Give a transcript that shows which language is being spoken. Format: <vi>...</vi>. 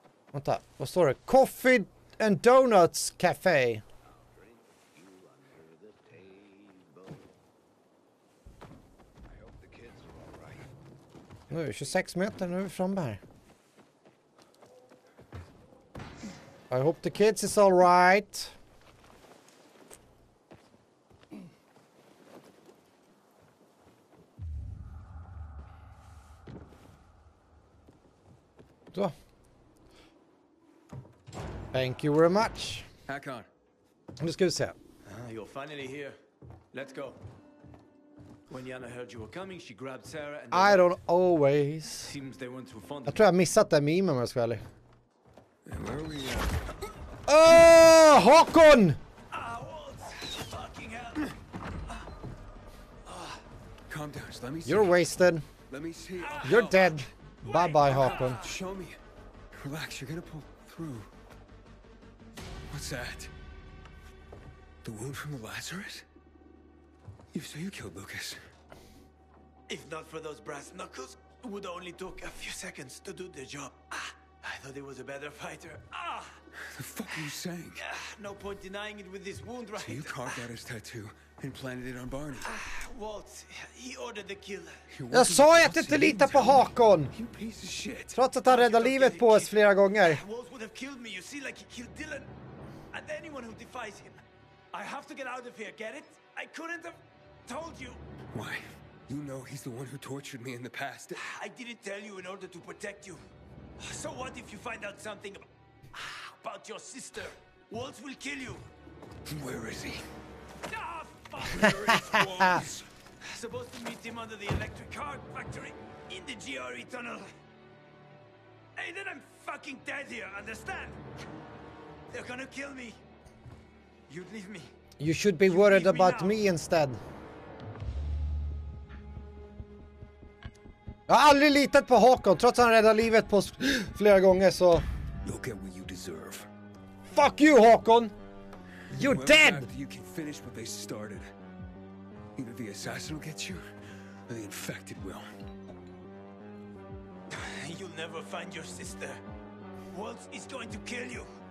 <sv>Vänta, vad står det? Coffee and Donuts Café. Nu är 26 meter, nu är vi framme här.</sv> <en>I hope the kids is all right.</en> <sv>Då.</sv> <en>Thank you very much. Hakon.</en> <sv>Nu ska vi se.</sv> <en>You're finally here. Let's go. When Yana heard you were coming, she grabbed Sarah and... I don't always. Seems they weren't too fond of...</en> <sv>Jag tror jag missat det meme, om jag ska ärlig.</sv> <en>And where are we at? Oh, Hakon! Fucking hell. Calm down, let me see. You're wasted. Let me see. You're dead. Bye-bye, Hakon. Show me. Relax, you're gonna pull through. What's that? The wound from the Lazarus? So you killed Lucas. If not for those brass knuckles, it would only took a few seconds to do the job. Ah, I thought he was a better fighter. Ah! The fuck are you saying? No point denying it with this wound, right? So you carved out his tattoo and planted it on Barney. Waltz, he ordered the kill.</en> <sv>Jag sa ju att inte lita på Hakon!</sv> <en>You piece of shit.</en> <sv>Trots att han räddade livet på oss flera gånger.</sv> <en>Waltz would have killed me, you see, like he killed Dylan. And anyone who defies him. I have to get out of here, get it? I couldn't have... told you. Why? You know he's the one who tortured me in the past. I didn't tell you in order to protect you. So what if you find out something about your sister? Waltz will kill you. Where is he? Ah, fuck! Where is Waltz? Supposed to meet him under the electric car factory. in the GRE tunnel. And then I'm fucking dead here, understand? They're gonna kill me. You'd leave me. You should be worried about me instead.</en> <sv>Jag har aldrig litat på Hakon, trots att han räddat livet på flera gånger, så...</sv> <en>You'll get what you deserve. Fuck you, Hakon! You're dead! You can finish what they started. Either the assassin will get you, or the infected will. You'll never find your sister. Walt is going to kill you.</en>